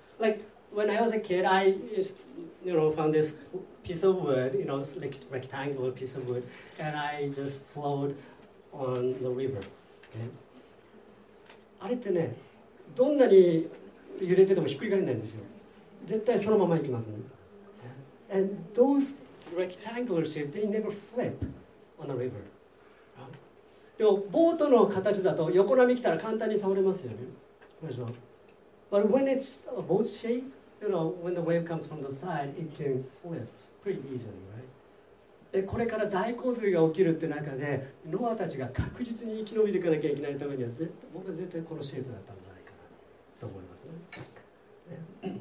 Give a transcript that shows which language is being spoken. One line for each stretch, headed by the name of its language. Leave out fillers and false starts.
English: Like when I was a kid, I used, you know, found this. Piece of wood, you know, rectangular piece of wood, and I just float on the river. Okay.
Japanese: あれってね、どんなに揺れててもひっくり返らないんですよ。絶対そのまま行きますね。
English: And those rectangular shapes, they never flip on the river.
Japanese: でもボートの形だと横波来たら簡単に倒れますよね。でしょ。
English: But when it's a boat shape, you know, when the wave comes from the side, it can flip. Pretty easy, right?
Japanese: これから大洪水が起きるって中で、ノアたちが確実に生き延びていかなきゃいけないためには絶対、僕は絶対このシェイプだったんじゃないかなと思いますね。